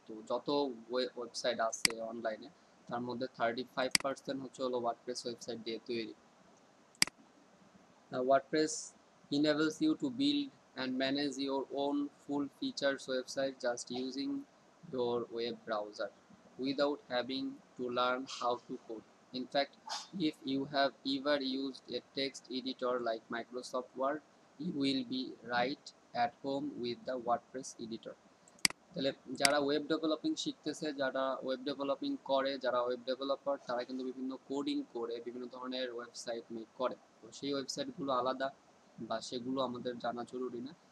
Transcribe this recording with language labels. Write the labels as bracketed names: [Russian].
[Bangla] তো যত ওয়েবসাইট আছে অনলাইনে তার মধ্যে 35% হচ্ছে হলো ওয়ার্ডপ্রেস ওয়েবসাইট দিয়ে তৈরি। [English] WordPress enables you to build and manage your own full features website just using your web browser without having to learn how to code. In fact, if you have ever used a text editor like Microsoft Word, you will be right at home with the WordPress editor. [Bangla] তাহলে যারা web developing শিখতেছে, যারা web developing করে, যারা web developer, তারা কিন্তু বিভিন্ন coding করে বিভিন্ন ধরনের ওয়েবসাইট মেক করে। তো সেই ওয়েবসাইটগুলো আলাদা বা সেগুলো আমাদের জানা জরুরি না।